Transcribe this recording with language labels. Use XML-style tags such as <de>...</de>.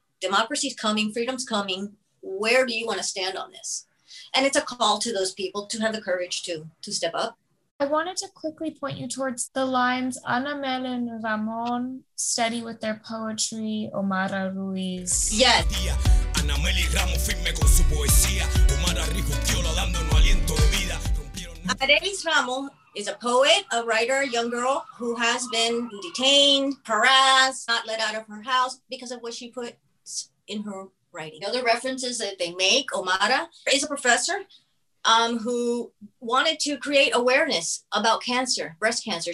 <en>Democracy's coming, freedom's coming. Where do you want to stand on this? And it's a call to those people to have the courage to step up. I wanted to quickly point you towards the lines Ana Mel and Ramon study with their poetry, Omara Ruiz. Yes.</en> <es>Ana Mel y Ramon firme con su poesía. Omara Rijo Piola dando un aliento de vida.</es> <en>Arelis Ramon is a poet, a writer, a young girl who has been detained, harassed, not let out of her house because of what she puts in her writing. The other references that they make, Omara is a professor. Who wanted to create awareness about cancer, breast cancer.</en>